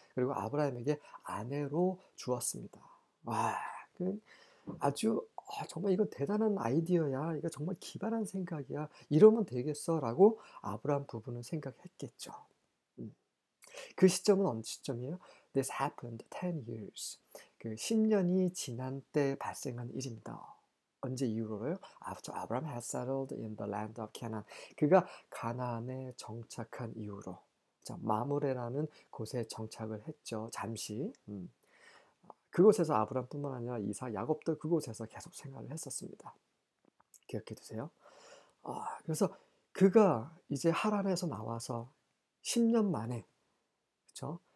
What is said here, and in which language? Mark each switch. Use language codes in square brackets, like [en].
[ko] 그리고 아브라함에게 아내로 주었습니다. 와, 아주 정말 이거 대단한 아이디어야. 이거 정말 기발한 생각이야. 이러면 되겠어라고 아브라함 부부는 생각했겠죠. 그 시점은 어느 시점이에요? [en] This happened 10 years. [ko] 그 10년이 지난 때 발생한 일입니다. 언제 이후로요? [en] After Abraham had settled in the land of Canaan. [ko] 그가 가나안에 정착한 이후로. 자, 마므레라는 곳에 정착을 했죠. 잠시. 그곳에서 아브람뿐만 아니라 이삭, 야곱도 그곳에서 계속 생활을 했었습니다. 기억해 두세요. 그래서 그가 이제 하란에서 나와서 10년 만에, 그렇죠?